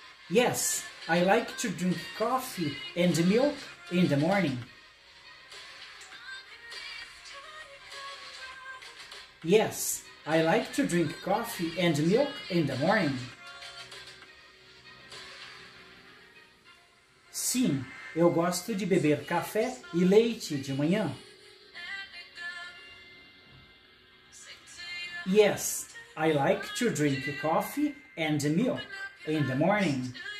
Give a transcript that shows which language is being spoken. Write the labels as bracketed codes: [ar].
[en] Yes, I like to drink coffee and milk in the morning. Yes, I like to drink coffee and milk in the morning. [pt] Sim, eu gosto de beber café e leite de manhã. [en] Yes, I like to drink coffee and milk in the morning.